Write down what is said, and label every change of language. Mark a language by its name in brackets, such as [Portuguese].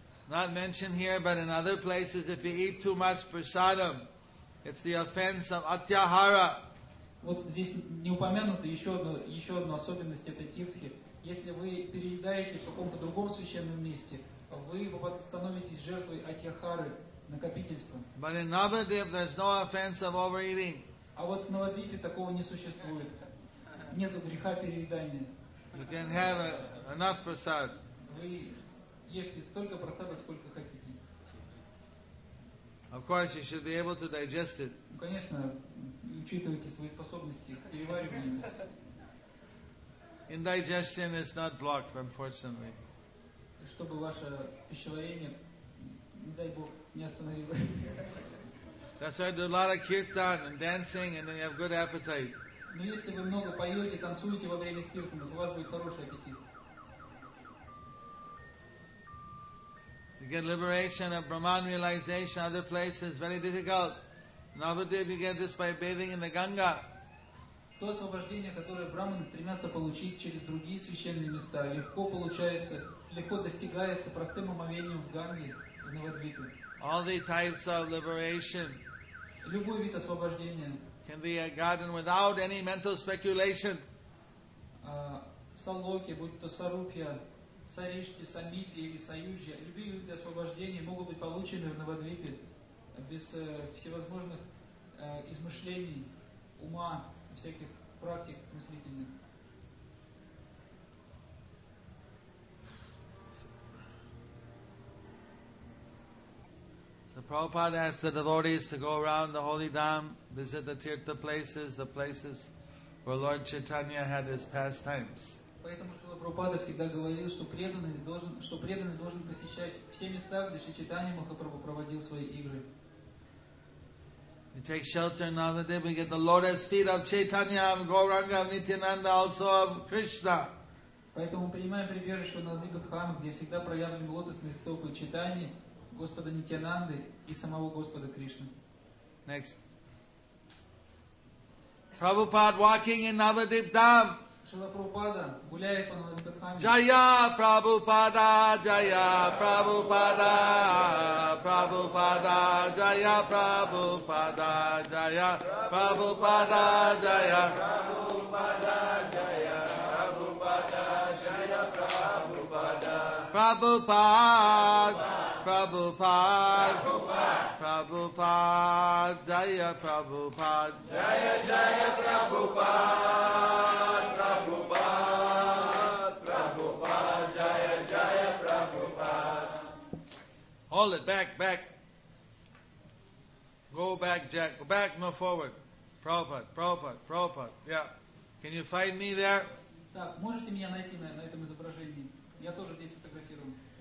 [English] Not mentioned here, but in other places, if you eat too much prasadam, it's the offense of atyahara. [Russian] Вот здесь не упомянуто еще одна особенность этой тиртхи. Если вы переедаете в каком-то другом священном месте, вы становитесь жертвой атьяхары, накопительства. [English] But in Navadvip, there's no offense of overeating. [Russian] А вот в Навадвипе такого не существует. Нету греха переедания. [English] You can have enough prasad. [Russian] Вы ешьте столько просада, сколько хотите. [English] Of course, you should be able to digest it. [Russian] Ну, конечно, учитывайте свои способности к перевариванию. [English] Indigestion is not blocked, unfortunately. [Russian] Чтобы ваше пищеварение, не дай Бог, не остановилось. [English] That's why I do a lot of kirtan and dancing, and then you have good appetite. [Russian] Но если вы много поете, танцуете во время киртана, у вас будет хороший аппетит. [English] You get liberation of Brahman realization other places, very difficult. Navadvip you get this by bathing in the Ganga. [Russian] То освобождение, которое брахманы стремятся получить через другие священные места, легко получается, легко достигается простым омовением в Ганге, в Навадвипе. [English] All the types of liberation. [Russian] Любой вид освобождения. [English] Can be a garden without any mental speculation. [Russian] Салоки, будь то сарупья, саришти, самитья или саюжья, любые виды освобождения могут быть получены в Навадвипе без всевозможных измышлений, ума, всяких практик мыслительных. [English] The Prabhupada asked the devotees to go around the holy dham, visit the tirtha places, the places where Lord Chaitanya had his pastimes. [Russian] Поэтому Шрила Прабхупада всегда говорил, что преданный должен посещать все места, где Чайтанья Махапрабху проводил свои игры. [English] We take shelter in Navadvipa, we get the lotus feet of Chaitanya, of Gauranga, of Nityananda, also of Krishna. [Russian] Поэтому принимаем прибежище в Навадвипадхаме, где всегда проявлены лотосные стопы Чайтаньи, Господа Нитянанды и самого Господа Кришны. [English] Next. Prabhupada walking in Navadvip Dham. [Russian] Шрила Прабхупада гуляет по Навадвипадхаме. Jaya Prabhupada, Jaya Prabhupada, Prabhupada, Jaya Prabhupada, Jaya Prabhupada, Jaya Prabhupada, Jaya Prabhupada, Jaya Prabhupada. Prabhupada, Prabhupada, Prabhupada, Jaya Prabhupada, Jaya Jaya Prabhupada, Prabhupada, Prabhupada, Jaya Jaya Prabhupada. [English] Hold it, back. Go back, Jack, go back, no forward. Prabhupada, yeah. Can you find me there? [Russian] Так, можете меня найти на этом изображении? Я тоже здесь фотографирую.